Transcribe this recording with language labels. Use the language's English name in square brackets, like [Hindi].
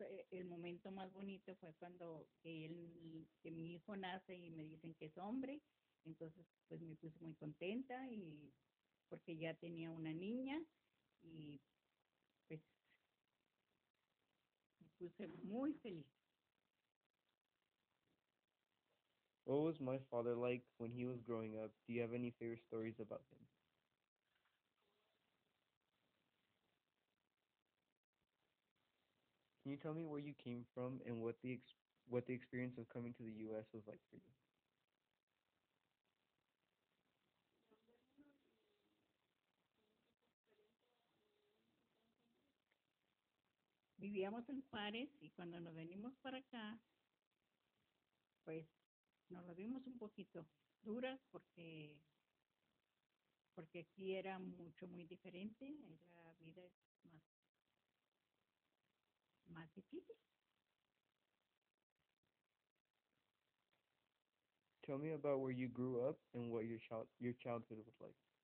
[Spanish] El momento más bonito fue cuando que mi hijo nace y me dicen que es hombre. Entonces, pues me puse muy contenta y porque ya tenía una niña y pues me puse muy feliz. [English] What was my father like when he was growing up? Do you have any favorite stories about him? Can you tell me where you came from and what the experience of coming to the US was like for you? [Spanish] Vivíamos en Juárez y cuando nos venimos para acá, pues nos lo vimos un poquito duras porque aquí era mucho muy diferente, la vida es más difícil. [English] Tell me about where you grew up and what your childhood was like.